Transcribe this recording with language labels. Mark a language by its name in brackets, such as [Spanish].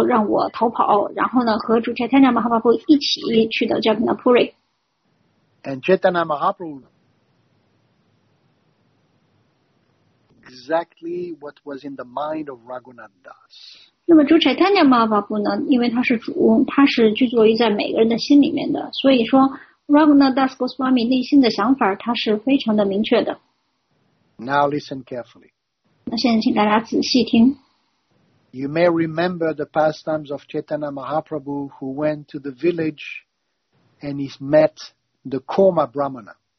[Chinese] 他说呢，这是一个非常的完美的一个时机，能够让我逃跑，然后呢，和主 Chaitanya Mahaprabhu 一起去到 Jagannath Puri. [English] And Chaitanya Mahaprabhu exactly what was in the mind of Raghunath Das. [Chinese] 那么主 Chaitanya Mahaprabhu呢, 因为他是主, 他是居住于在每个人的心里面的, 所以说 Raghunath Das Goswami 内心的想法, 他是非常的明确的。Now [English] listen carefully. [Chinese] 那现在请大家仔细听。 [English] You may remember the pastimes of Chaitanya Mahaprabhu, who went to the village and he met the Koma Brahmana.